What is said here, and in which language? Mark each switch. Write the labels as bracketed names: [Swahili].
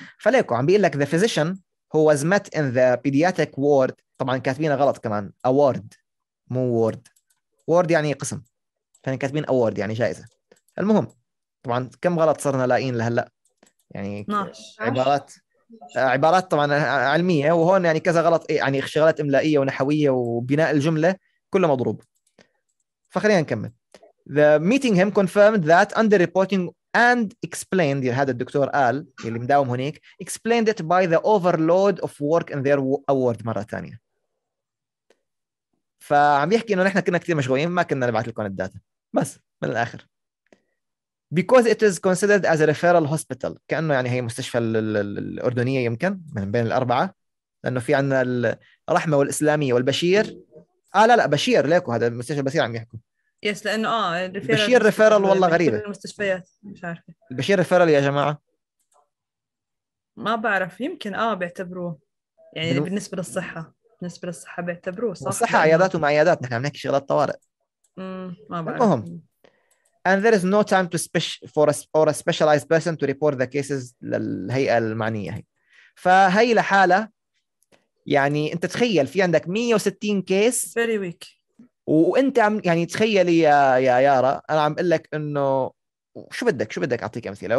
[Arabic] فليكو عم بيقولك [English] the physician who was met in the pediatric ward, [Arabic] طبعا كاتبين غلط كمان award مو ward, ward يعني قسم, فهنا كاتبين award يعني جائزة. المهم طبعا كم غلط صرنا لاقين لهلأ يعني 12. عبارات عبارات طبعا علمية وهون يعني كذا غلط, يعني شغلات إملائية ونحوية وبناء الجملة كله مضروب. فخلينا نكمل. [English] The meeting him confirmed that under reporting and explained, [Arabic] هذا الدكتور قال اللي مداوم هناك [English] explained it by the overload of work in their award [Arabic] مرة تانية. فعم بيحكي انه نحن كنا كتير مشغولين ما كنا نبعث لكم الداتا, بس من الآخر [English] because it is considered as a referral hospital, [Arabic] كأنه يعني هي مستشفى الأردنية يمكن من بين الأربعة, لأنه في عندنا الرحمة والإسلامية والبشير. آه لا لا بشير ليكو, هذا المستشفى البشير عم يحكم. yes لأنه آه بشير ريفيرال والله غريبة المستشفيات مش عارفة البشير ريفيرال يا جماعة ما بعرف يمكن آه بيعتبروه يعني بالنسبة للصحة, بالنسبة للصحة بيعتبروه صح الصحة عيادات ومعيادات نحن عم نحكي شغلات طوارئ. ما بعرف. المهم [English] and there is no time to special for a, or a specialized person to report the cases [Arabic] للهيئة المعنية. فهي لحالة يعني انت تخيل في عندك 160 كيس [English] very weak [Arabic] وانت عم يعني تخيل يا يارا انا عم اقول لك انه شو بدك اعطيك امثله.